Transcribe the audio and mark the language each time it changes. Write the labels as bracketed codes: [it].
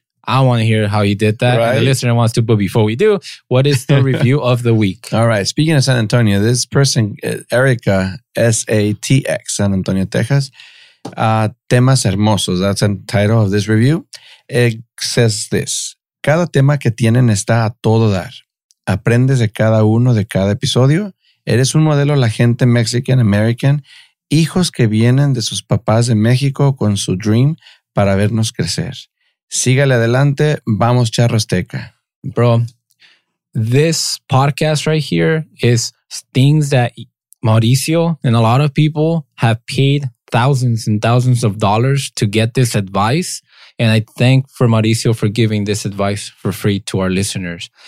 [en] I want to hear how he did that. Right? And the listener wants to, but before we do, what is the review of the week? All right. Speaking of San Antonio, this person, Erica, S-A-T-X, San Antonio, Texas. [es] Temas hermosos. [en] That's the title of this review. It says this. [es] Cada tema que tienen está a todo dar. Aprendes de cada uno de cada episodio. Eres un modelo la gente Mexican American. Hijos que vienen de sus papás de México con su dream para vernos crecer. Sígale adelante. Vamos, Charrosteca. [en] Bro, this podcast right here is things that Mauricio and a lot of people have paid thousands and thousands of dollars to get this advice. And I thank for Mauricio for giving this advice for free to our listeners.